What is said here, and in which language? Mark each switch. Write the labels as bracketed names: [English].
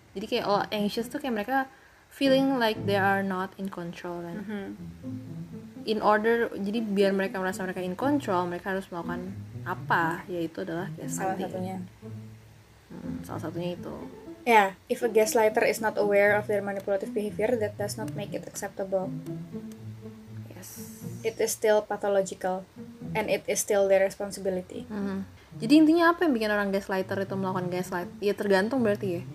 [Indonesian] Jadi kayak [English] all anxious [Indonesian] tuh kayak mereka [English] feeling like they are not in control [Indonesian] kan? [English] In order, [Indonesian] jadi biar mereka merasa mereka [English] in control, [Indonesian] mereka harus melakukan apa, yaitu adalah gaslighting. Salah satunya. Salah satunya itu. [English] Yeah, if a gaslighter is not aware of their manipulative behavior, that does not make it acceptable. Yes. It is still pathological, and it is still their responsibility. [Indonesian] Jadi intinya apa yang bikin orang gaslighter itu melakukan gaslight? Ya tergantung berarti ya.